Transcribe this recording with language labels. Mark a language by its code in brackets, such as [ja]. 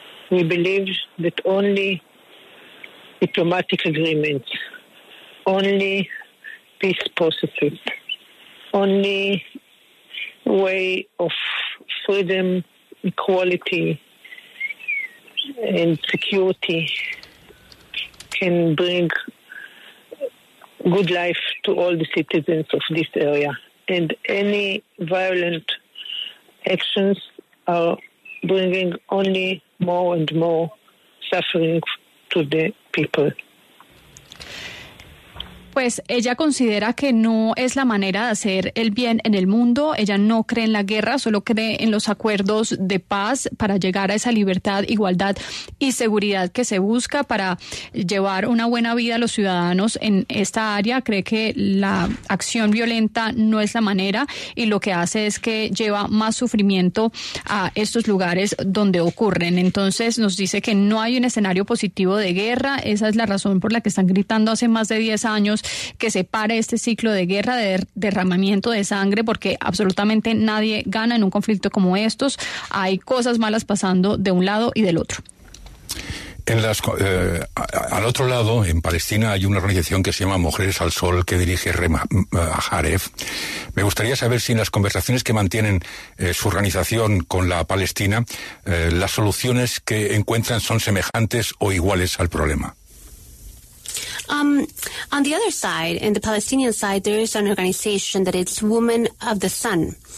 [en] We believe that only diplomatic agreements, only peace processes, only way of freedom, equality, and security can bring good life to all the citizens of this area. And any violent actions are bringing only more and more suffering to the people. [es] Pues ella considera que no es la manera de hacer el bien en el mundo. Ella no cree en la guerra, solo cree en los acuerdos de paz para llegar a esa libertad, igualdad y seguridad que se busca para llevar una buena vida a los ciudadanos en esta área. Cree que la acción violenta no es la manera y lo que hace es que lleva más sufrimiento a estos lugares donde ocurren. Entonces nos dice que no hay un escenario positivo de guerra. Esa es la razón por la que están gritando hace más de 10 años que se pare este ciclo de guerra, de derramamiento de sangre, porque absolutamente nadie gana en un conflicto como estos. Hay cosas malas pasando de un lado y del otro. Al otro lado, en Palestina, hay una organización que se llama Mujeres al Sol, que dirige Rema Jaref. Me gustaría saber si en las conversaciones que mantienen su organización con la Palestina, las soluciones que encuentran son semejantes o iguales al problema. [en] On the other side, in the Palestinian side, there is an organization that it's Women of the Sun.